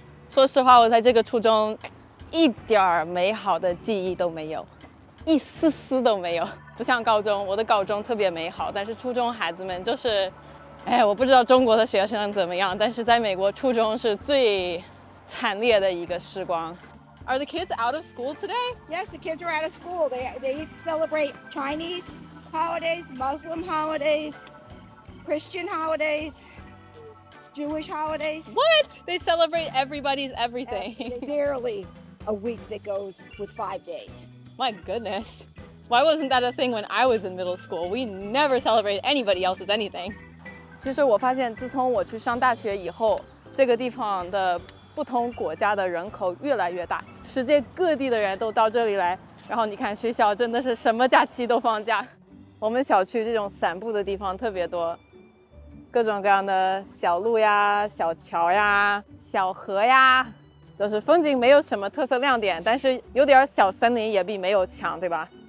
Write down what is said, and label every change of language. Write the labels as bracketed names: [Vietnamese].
[Chinese] 说实话，我在这个初中一点美好的记忆都没有，一丝丝都没有。不像高中，我的高中特别美好，但是初中孩子们就是，哎，我不知道中国的学生怎么样，但是在美国初中是最惨烈的一个时光。 [English] Are the kids out of school today? Yes, the kids are out of school. They celebrate Chinese holidays, Muslim holidays, Christian holidays, Jewish holidays. What? They celebrate everybody's everything. Barely a week that goes with 5 days. My goodness. Why wasn't that a thing when I was in middle school? We never celebrate anybody else's anything. [Chinese] 其实我发现自从我去上大学以后，这个地方的不同国家的人口越来越大，世界各地的人都到这里来，然后你看学校真的是什么假期都放假。我们小区这种散步的地方特别多，各种各样的小路呀、小桥呀、小河呀，就是风景没有什么特色亮点，但是有点小森林也比没有强，对吧？